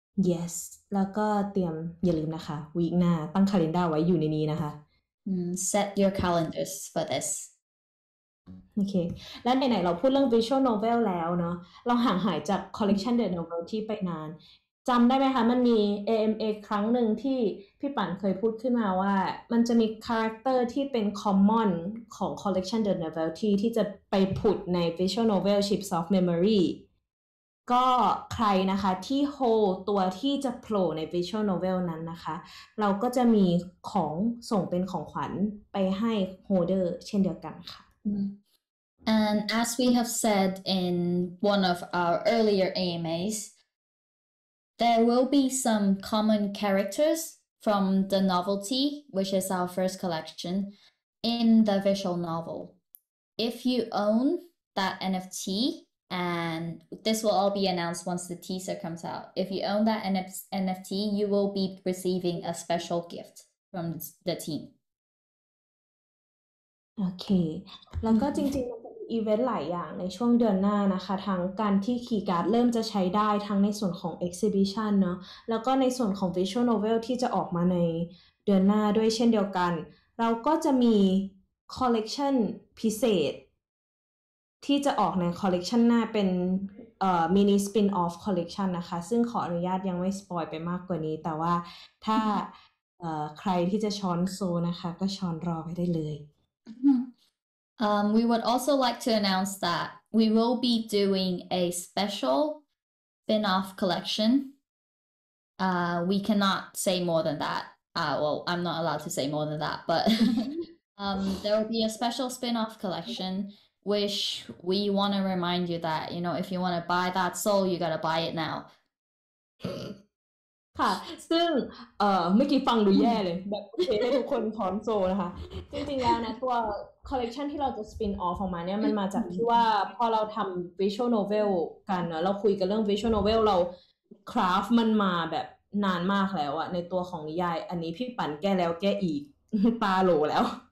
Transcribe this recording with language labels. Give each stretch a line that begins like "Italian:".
English: yes
Thai: แล้วก็เตรียมอย่าลืมนะคะวีคหน้าตั้งคาลินดาไว้อยู่ในนี้นะคะ
English: set your calendars for this
Thai: โอเคแล้วไหนๆเราพูดเรื่อง visual novel แล้วเนาะเราห่างหายจาก collection the novel ที่ไปนานจำได้ไหมคะมันมี AMA ครั้งหนึ่งที่พี่ปั่นเคยพูดขึ้นมาว่ามันจะมี character ที่เป็น common ของ collection the novel ที่จะไปผุดใน visual novel chips of memory ก็ใครนะคะที่ hold ตัวที่จะโผล่ใน visual novel นั้นนะคะเราก็จะมีของส่งเป็นของขวัญไปให้ holder เช่นเดียวกันค่ะ
English: And as we have said in one of our earlier AMAs, there will be some common characters from the novelty, which is our first collection, in the visual novel. If you own that NFT, and this will all be announced once the teaser comes out, if you own that NFT, you will be receiving a special gift from the team. Okay.
Thai: แล้วก็จริงๆอีเวนต์หลายอย่างในช่วงเดือนหน้านะคะทั้งการที่คีย์การ์ดเริ่มจะใช้ได้ทั้งในส่วนของ exhibition เนาะแล้วก็ในส่วนของ visual novel ที่จะออกมาในเดือนหน้าด้วยเช่นเดียวกันเราก็จะมี collection พิเศษที่จะออกใน collection หน้าเป็นmini spin off collection นะคะซึ่งขออนุญาตยังไม่สปอยไปมากกว่านี้แต่ว่าถ้าใครที่จะช้อนโซนะคะก็ช้อนรอไปได้เลย
English: We would also like to announce that we will be doing a special spin-off collection. We cannot say more than that. Well, I'm not allowed to say more than that, but there will be a special spin-off collection, which we want to remind you that, you know, if you want to buy that soul, you got to buy it now.
Thai: ค่ะซึ่งเมื่อกี้ฟังดูแย่เลยแบบโอเคให้ทุกคนพร้อมโซนะคะจริงๆแล้วนะตัวคอลเลกชันที่เราจะสปินออฟออกมาเนี่ยมันมาจากที่ว่าพอเราทำวิชวลโนเวลกันเนาะเราคุยกันเรื่องวิชวลโนเวลเราคราฟมันมาแบบนานมากแล้วอะในตัวของนิยายอันนี้พี่ปั่นแก้แล้วแก้อีกปาโลแล้ว